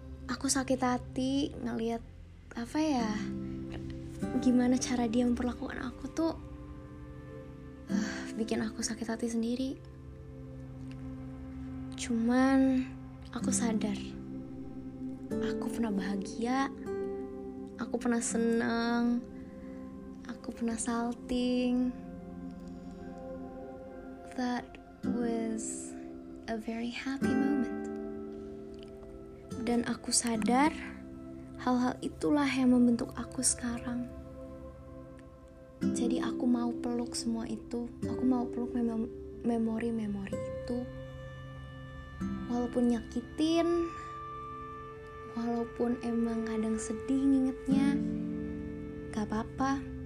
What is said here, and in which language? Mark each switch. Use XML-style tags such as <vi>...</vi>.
<id>Aku sakit hati ngelihat apa ya? Gimana cara dia memperlakukan aku tuh bikin aku sakit hati sendiri. Cuman aku sadar, aku pernah bahagia, aku pernah senang, aku pernah salting.</id> <en>That was a very happy moment.</en> <id>Dan aku sadar, hal-hal itulah yang membentuk aku sekarang. Jadi aku mau peluk semua itu, aku mau peluk memori-memori itu. Walaupun nyakitin, walaupun emang kadang sedih ngingetnya, gak apa-apa.</id>